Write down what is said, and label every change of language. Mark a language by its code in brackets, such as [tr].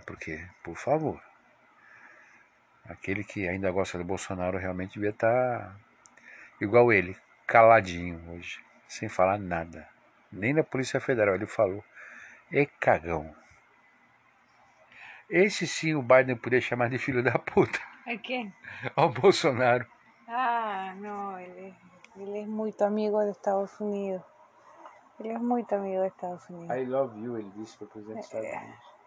[pt] Porque, por favor, aquele que ainda gosta do Bolsonaro realmente devia estar igual ele, caladinho hoje, sem falar nada. Nem na Polícia Federal ele falou. É cagão. Esse sim o Biden podia chamar de filho da puta. A quem? Ao Bolsonaro. [es] Ah, no, él es muy amigo de Estados Unidos. Él es muy amigo de Estados Unidos. [en] I love you, [pt] ele disse para o presidente dos Estados Unidos.